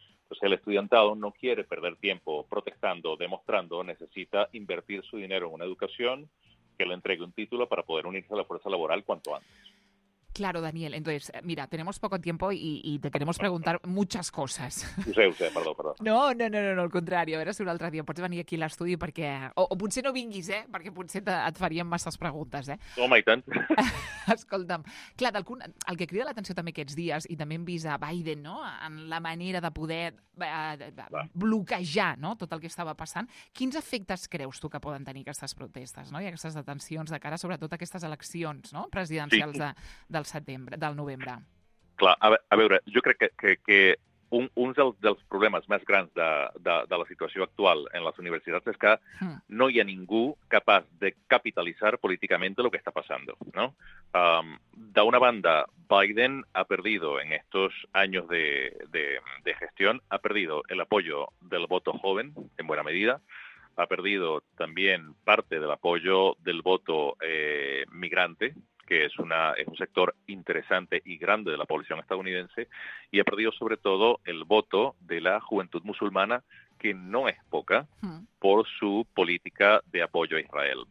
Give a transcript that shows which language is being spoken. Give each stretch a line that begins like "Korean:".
Spanish: Entonces el estudiantado no quiere perder tiempo protestando, demostrando, necesita invertir su dinero en una educación que le entregue un título para poder unirse a la fuerza laboral cuanto antes. Claro, Daniel. Entonces, mira, tenemos poco tiempo y te queremos preguntar muchas cosas. Usted, perdón.
Catalan: No, al contrari. A veure si un altre dia pots venir aquí a l'estudi perquè... O potser no vinguis, perquè potser et faríem masses preguntes, eh? Home, i tant. Escolta'm, clar, el que crida l'atenció també aquests dies, i també hem vist a Biden, no?, en la manera de poder bloquejar, no?, tot el que estava passant, quins efectes creus tu que poden tenir aquestes protestes, no?, i aquestes detencions de cara, sobretot, a aquestes eleccions, no?, presidencials sí. Del setembre, del novembre. Clar, a veure, jo crec que un dels problemes més grans de la situació actual en les universitats és que no hi ha ningú capaç de capitalitzar políticament el que està passant, no? D'una banda,
Spanish: Biden ha perdido en estos años de gestión, ha perdido el apoyo del voto joven, en buena medida, ha perdido también parte del apoyo del voto migrante, que es un sector interesante y grande de la población estadounidense, y ha perdido sobre todo el voto de la juventud musulmana, que no es poca, por su política de apoyo a Israel.